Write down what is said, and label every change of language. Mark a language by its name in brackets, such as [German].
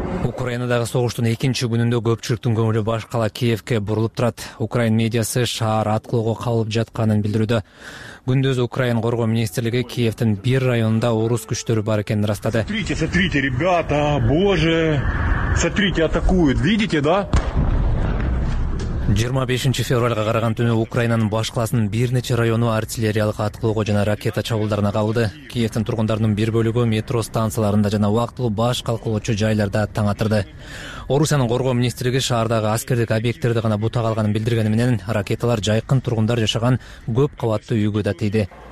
[Kyrgyz] Украинадагы согуштун экинчи күнүндө көпчүлүктүн көңүлү баш кала Киевке бурулуп турат. Украин медиасы шаар аткылоого кабылып жатканын билдирүүдө. Күндүз Украин коргоо министрлиги Киевтин бир районунда орус күчтөрү бар экенин ырастады. [Russian] Смотрите, смотрите, ребята, боже. Смотрите, атакуют. Видите, да? [Kyrgyz] 25 февралга караган түнү Украинанын баш калаасынын бир нече району артиллериялык аткылоого жана ракета чабуулдарына кабылды. Киевтин тургундарынын бир бөлүгү метро станцияларында жана убактылуу баш калкылоочу жайларда таң атырды. Орусиянын коргоо министрлиги шаардагы аскердик объекттерди гана бута калганын билдиргени менен ракеталар жайкын тургундар жашаган көп кабаттуу үйгө да тийди.